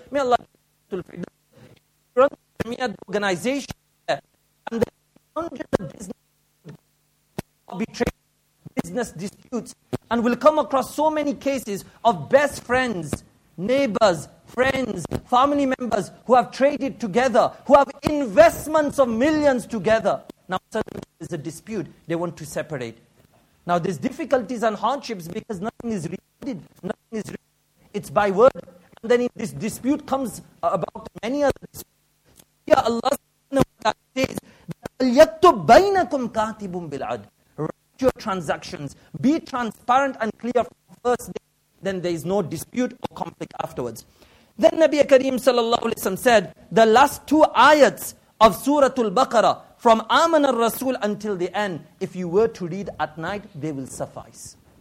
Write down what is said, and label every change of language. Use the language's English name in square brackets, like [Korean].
[English] May Allah run the premier organization there, and the hundreds of business arbitrate business disputes, and will come across so many cases of best friends, neighbors, friends, family members who have traded together, who have investments of millions together. Now suddenly there's a dispute, they want to separate. Now there's difficulties and hardships because nothing is recorded, nothing is written, it's by word. And then in this dispute comes about many other disputes. Here Allah says, [Arabic] يَكْتُبْ بَيْنَكُمْ كَاتِبٌ بِالْعَدْ. [English] Write your transactions, be transparent and clear from the first day, then there is no dispute or conflict afterwards. Then Nabi Kareem sallallahu alayhi wa sallam said, the last two ayats of Surah Al-Baqarah, from Aman al-Rasul until the end, if you were to read at night, they will suffice.